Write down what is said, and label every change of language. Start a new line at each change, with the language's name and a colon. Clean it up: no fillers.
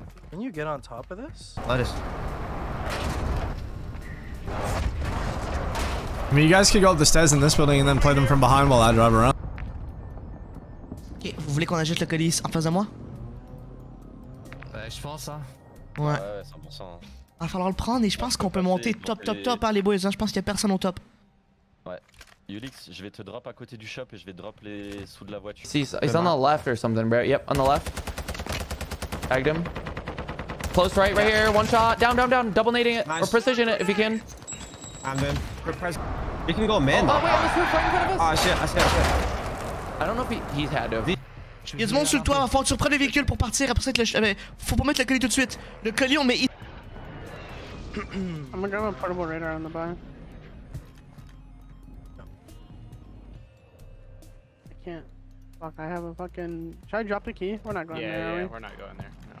English: Can you get on top of this? Let us. I mean, you guys could go up the stairs in this building and then play them from behind while I drive around. Okay, you want to adjust the colis in front of me?
French: Je pense, hein. Ouais. Ouais, 100%. Va falloir le prendre et je pense qu'on peut monter
English: top,
French: hein, les boys. Hein. Je pense qu'il y a personne au top. Ouais. Ulix, je vais te drop à côté du shop et je vais drop les sous de la voiture.
English: See, he's on the left or something, bro. Yep, on the left. Tagged him. Close right, right here. One shot. Down. Double nading it. Nice. Or precision it if you can. And then, you can go mid. Oh, wait, I'm in front of us. Oh, shit. I don't know if he's had to.
French: Il y a du monde sur le toit, va falloir que tu reprennes le véhicule pour partir. Après ça, il faut pas mettre le colis tout de suite. Le colis, on met.
English: I'm gonna grab a portable radar on the buy. No. I can't. Fuck, I have a fucking. Should I drop the key? We're not going there. Yeah, we're not going there.